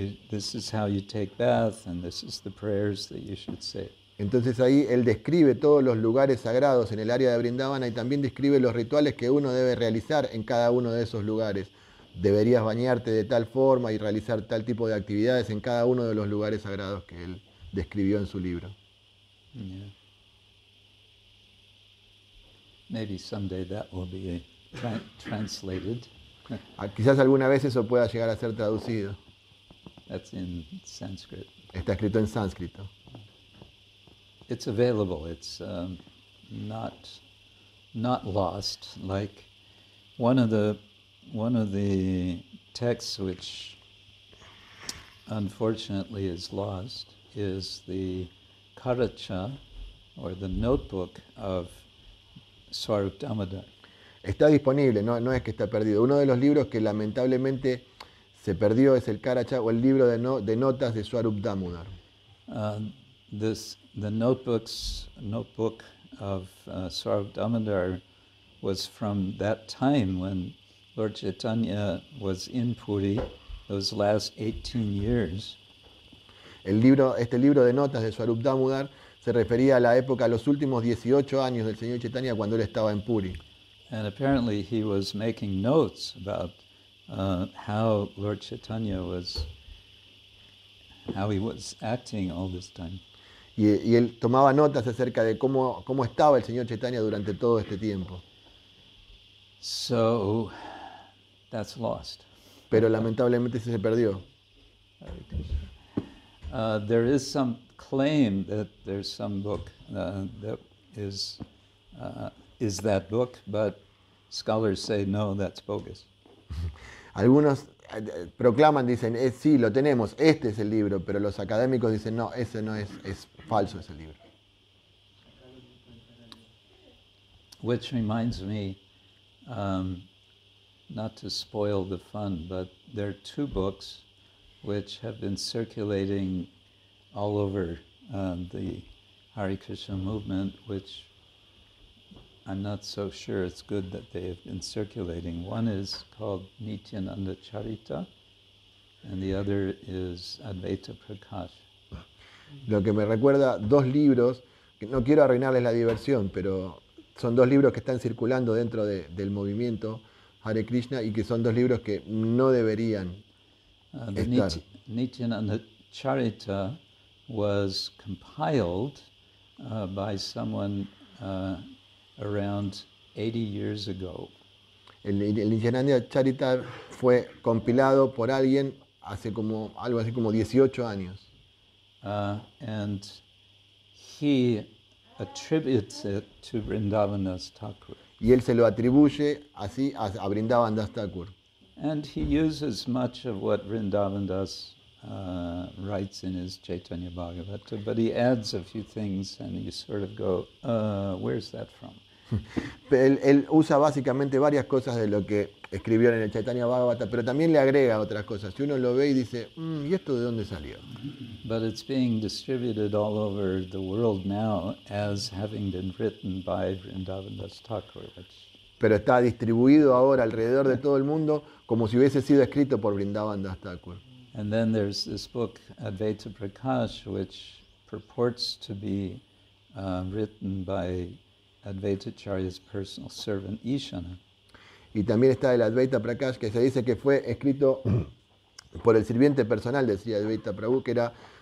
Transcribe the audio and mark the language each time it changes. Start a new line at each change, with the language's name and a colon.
English: This is how you take bath, and this is the prayers that you should say.
Spanish: Entonces ahí él describe todos los lugares sagrados en el área de Vrindavana y también describe los rituales que uno debe realizar en cada uno de esos lugares. Deberías bañarte de tal forma y realizar tal tipo de actividades en cada uno de los lugares sagrados que él describió en su libro.
English: Yeah. Maybe someday that will be translated.
Spanish: Quizás alguna vez eso pueda llegar a ser traducido.
English: That's in Sanskrit.
Spanish: Está escrito en sánscrito.
English: It's available. It's not lost. Like one of the texts which unfortunately is lost is the Karacha, or the notebook of Swarup Damodar.
Spanish: Está disponible. No, no es que está perdido. Uno de los libros que lamentablemente se perdió es el Karacha, o el libro de notas de Swarup Damodar.
English: The notebook of Swarup Damodar was from that time when Lord Chaitanya was in Puri, those last 18 years.
Spanish: Este libro de notas de Swarup Damodar se refería a la época, a los últimos 18 años del señor Chaitanya cuando él estaba en Puri.
English: And apparently he was making notes about how Lord Chaitanya was, how he was acting all this time.
Spanish: Y él tomaba notas acerca de cómo estaba el señor Chaitanya durante todo este tiempo.
English: So, that's lost.
Spanish: Pero lamentablemente se perdió.
English: There is some claim that there's some book that is that book, but scholars say no, that's bogus.
Spanish: Algunos proclaman, dicen, sí, lo tenemos, este es el libro, pero los académicos dicen, no, ese no es, es falso ese libro.
English: Which reminds me, not to spoil the fun, but there are two books which have been circulating all over the Hare Krishna movement, which I'm not so sure it's good that they have been circulating. One is called Nityananda Charita, and the other is Advaita Prakash.
Spanish: Lo que me recuerda dos libros, que no quiero arruinarles la diversión, pero son dos libros que están circulando dentro de, del movimiento Hare Krishna y que son dos libros que no deberían estar.
English: Nityananda Charita was compiled by someone around 80 years ago.
Spanish: El Nityananda Charita fue compilado por alguien hace como algo así como 18 años.
English: And he attributes it to Vrindavanas Thakur.
Spanish: Y él se lo atribuye así a Vrindavanas Thakur.
English: And he uses much of what Vrindavanas writes in his Chaitanya Bhagavata, but he adds a few things and you sort of go, where's that from?
Spanish: él usa básicamente varias cosas de lo que escribió en el Chaitanya Bhagavata, pero también le agrega otras cosas. Si uno lo ve y dice, ¿y esto de dónde salió?
English: But it's being distributed all over the world now as having been written by Vrindavanas Thakur.
Spanish: Pero está distribuido ahora alrededor de todo el mundo como si hubiese sido escrito por Vrindavanas Thakur.
English: And then there's this book Advaita Prakash, which purports to be written by Advaita Acharya's personal servant Ishana.
Spanish: Y también está el Advaita Prakash, que se dice que fue escrito por el sirviente personal, decía Advaita Prabhu, que era